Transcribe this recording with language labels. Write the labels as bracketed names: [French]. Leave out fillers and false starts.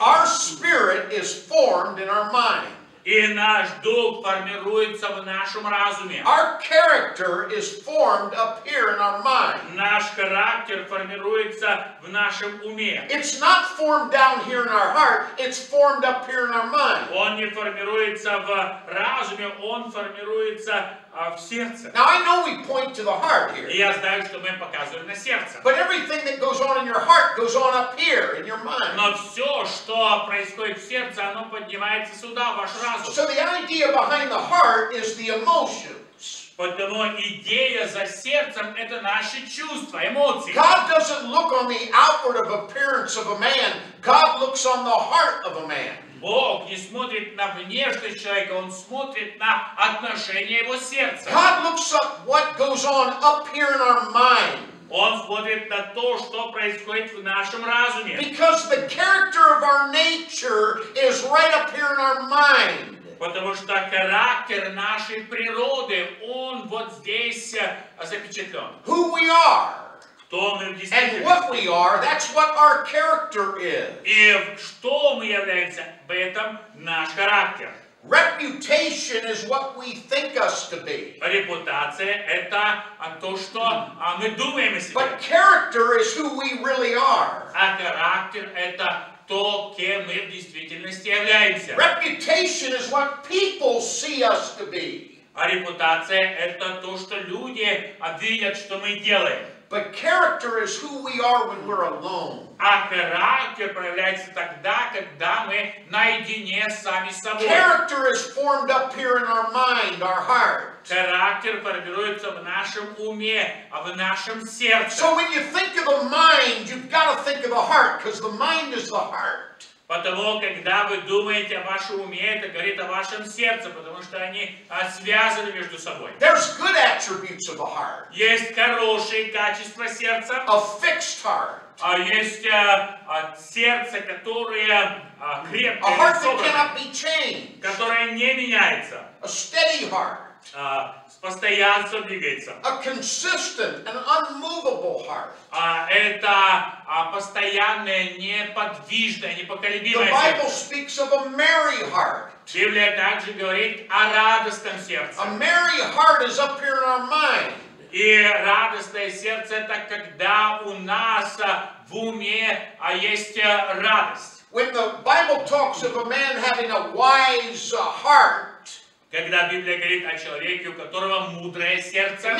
[English] Our spirit is formed in our mind. [Russian] И наш дух формируется в нашем разуме. [English] Our character is formed up here in our mind. [Russian] Наш характер формируется в нашем уме. [English] It's not formed down here in our heart, it's formed up here in our mind. [Russian] Он не формируется в разуме, он формируется в сердце. [English] Now I know we point to the heart here. [Russian] Я знаю, что мы показываем на сердце. [English] But everything that goes on in your heart goes on up here in your mind. [Russian] Но все, что происходит в сердце, оно поднимается сюда, в ваш разум. [English] So the idea behind the heart is the emotions. [Russian] Поэтому идея за сердцем это наши чувства, эмоции. [English] God doesn't look on the outward of appearance of a man. God looks on the heart of a man. [Russian] Бог не смотрит на внешность человека, Он смотрит на отношение его сердца. [English] God looks up what goes on up here in our mind. [Russian] Он смотрит на то, что происходит в нашем разуме. [English] Because the character of our nature is right up here in our mind. [Russian] Потому что характер нашей природы, он вот здесь запечатлен. [English] Who we are. And what we are, that's what our character is. [Russian] И что мы являемся, в этом наш характер. [English] Reputation is what we think us to be. [Russian] Репутация – это то, что мы думаем о себе. [English] But character is who we really are. [Russian] А характер – это то, кем мы в действительности являемся. [English] Reputation is what people see us to be. [Russian] А репутация – это то, что люди видят, что мы делаем. [English] But character is who we are when we're alone. [Russian] А характер проявляется тогда, когда мы наедине с сами собой. [English] Character is formed up here in our mind, our heart. [Russian] Характер формируется в нашем уме, а в нашем сердце. [English] So when you think of the mind, you've got to think of the heart, because the mind is the heart. [Russian] Потому когда вы думаете о вашем уме, это говорит о вашем сердце, потому что они связаны между собой. [English] There's good attributes of the heart. [Russian] Есть хорошие качества сердца. [English] A fixed heart. [Russian] А есть сердце, которое крепкое. [English] A heart that cannot be changed. [Russian] Которое не меняется. [English] A steady heart. [Russian] Постоянно двигается. [English] A consistent and unmovable heart. [Russian] Это постоянное, неподвижное, непоколебимое сердце. [English] The Bible speaks of a merry heart. [Russian] Библия также говорит о радостном сердце. [English] A merry heart is up here in our mind. [Russian] И радостное сердце – это когда у нас в уме есть радость. [English] When the Bible talks of a man having a wise heart, [Russian] когда Библия говорит о человеке, у которого мудрое сердце,